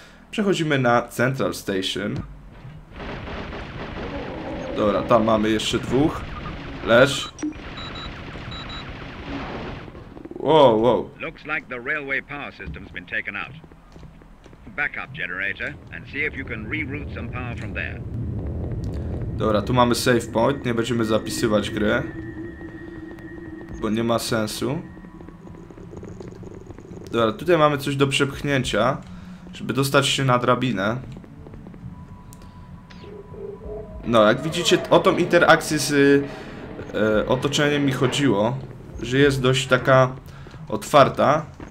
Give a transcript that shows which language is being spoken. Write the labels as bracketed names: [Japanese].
[Polish] Przechodzimy na Central Station. Dobra, tam mamy jeszcze dwóch. Leż. Wow. [English] Looks like the railway power system's been taken out. Backup generator and see if you can reroute some power from there. [Polish] Dobra, tu mamy save point. Nie będziemy zapisywać gry, bo nie ma sensu. Dobra, tutaj mamy coś do przepchnięcia, żeby dostać się na drabinę. No, jak widzicie, o tą interakcję z otoczeniem mi chodziło, że jest dość taka otwarta.